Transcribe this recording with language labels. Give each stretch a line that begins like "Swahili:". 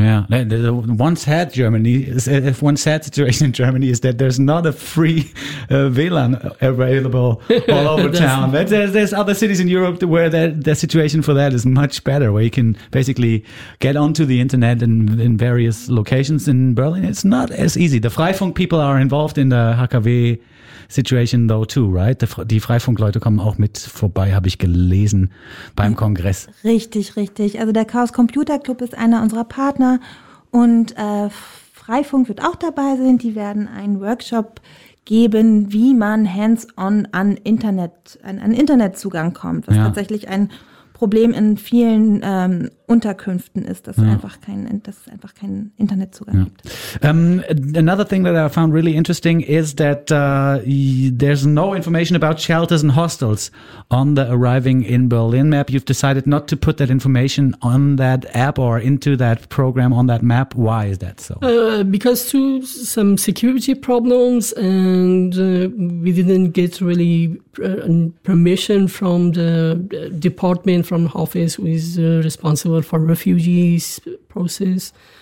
English: Yeah, the one sad Germany, if one sad situation in Germany is that there's not a free WLAN available all over town. But there's other cities in Europe where the situation for that is much better, where you can basically get onto the internet in various locations. In Berlin, it's not as easy. The Freifunk people are involved in the HKW situation though too, right?
German: Die Freifunkleute kommen auch mit vorbei, habe ich gelesen beim Kongress. Richtig, richtig. Also der Chaos Computer Club ist einer unserer Partner und Freifunk wird auch dabei sein. Die werden einen Workshop geben, wie man hands-on an Internet, an Internetzugang kommt, was tatsächlich ein Problem in vielen Unterkünften ist, dass es einfach kein Internetzugang gibt.
English: Another thing that I found really interesting is that there's no information about shelters and hostels on the Arriving in Berlin map. You've decided not to put that information on that app or into that program on that map. Why is that so? Because to some security problems and we didn't get really permission from the department, from office who is responsible for refugees process.